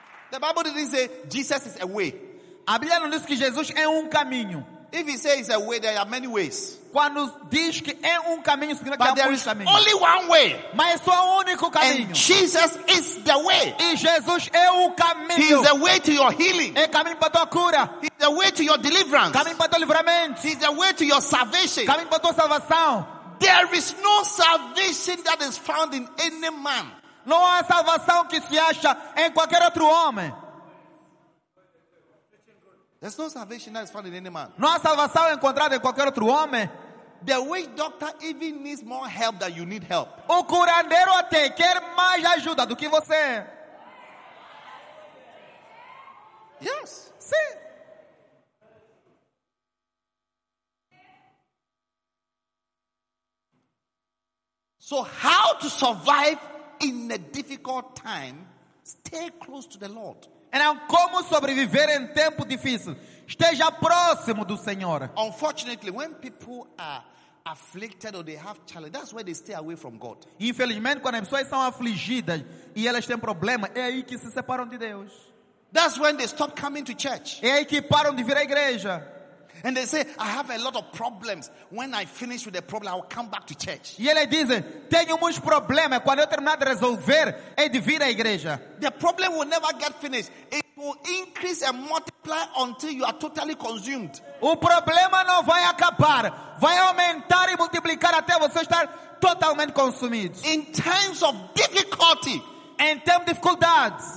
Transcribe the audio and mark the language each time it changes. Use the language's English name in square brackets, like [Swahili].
[English] The Bible didn't say Jesus is a way. [Portuguese] A Bíblia não diz que Jesus é caminho. [English] If he says a way, there are many ways. [Portuguese] Quando diz que é caminho, significa [English] but [Portuguese] que há muitos caminhos. [English] Only one way. [Portuguese] Mas é só um único caminho. [English] And Jesus is the way. [Portuguese] E Jesus é caminho. [English] He is the way to your healing. [Portuguese] É caminho para tua cura. [English] He is the way to your deliverance. [Portuguese] Caminho para teu livramento. [English] He is the way to your salvation. [Portuguese] Caminho para tua salvação. [English] There is no salvation that is found in any man. [Portuguese] Não há salvação que se acha em qualquer outro homem. [English] There's no salvation that is found in any man. [Portuguese] Não há salvação encontrada em qualquer outro homem. [English] The witch doctor even needs more help than you need help. [Portuguese] O curandeiro até quer mais ajuda do que você. [English] Yes. [Portuguese] Sim. [English] So how to survive in a difficult time? Stay close to the Lord. [Portuguese] Então, como sobreviver em tempo difícil? Esteja próximo do Senhor. [English] Unfortunately, when people are afflicted or they have challenges, that's where they stay away from God. [Portuguese] Infelizmente, quando as pessoas estão afligidas e elas têm problema, é aí que se separam de Deus. [English] That's when they stop coming to church. [Portuguese] É aí que param de vir à igreja. [English] And they say, I have a lot of problems. When I finish with the problem, I will come back to church. [Portuguese] E ele diz, tenho muitos problemas. Quando eu terminar de resolver, é de vir à igreja. [English] The problem will never get finished. It will increase and multiply until you are totally consumed. [Portuguese] O problema não vai acabar. Vai aumentar e multiplicar até você estar totalmente consumido. [English] In times of difficulty, [Portuguese] em tempo de dificuldades,